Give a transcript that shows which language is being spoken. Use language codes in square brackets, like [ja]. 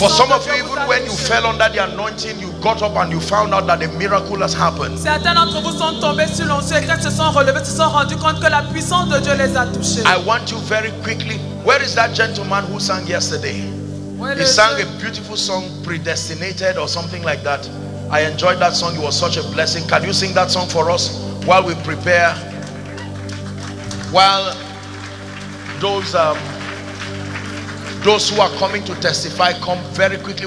[en] For some of you, even when you fell under the anointing, you got up and you found out that a miracle has happened. [fr] Certains d'entre vous sont tombés sur l'onction et quand se sont relevés, se sont rendus compte que la puissance de Dieu les a touchés. [en] I want you very quickly. Where is that gentleman who sang yesterday? He sang a beautiful song, Predestinated or something like that. I enjoyed that song. It was such a blessing. Can you sing that song for us while we prepare? While those who are coming to testify come very quickly.